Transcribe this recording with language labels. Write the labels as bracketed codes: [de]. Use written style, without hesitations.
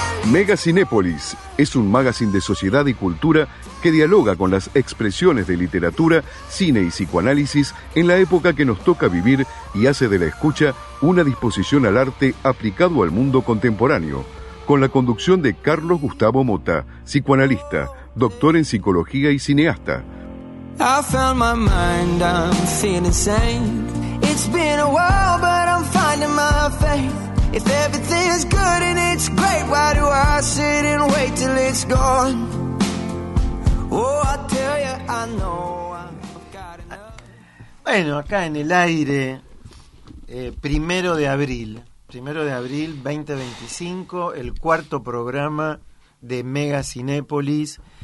[es] Mega Cinépolis es un magazine de sociedad y cultura que dialoga con las expresiones de literatura, cine y psicoanálisis en la época que nos toca vivir y hace de la escucha una disposición al arte aplicado al mundo contemporáneo. Con la conducción de Carlos Gustavo Mota, psicoanalista, doctor en psicología y cineasta. [en] I found my mind, I'm feeling sane. It's been a while, but I'm finding my faith. If everything is good and it's great, why do I sit and wait till it's gone? Oh, I tell you, I know I've got enough. [es] Bueno, acá en el aire, primero de abril 2025, el cuarto programa de Mega Cinépolis.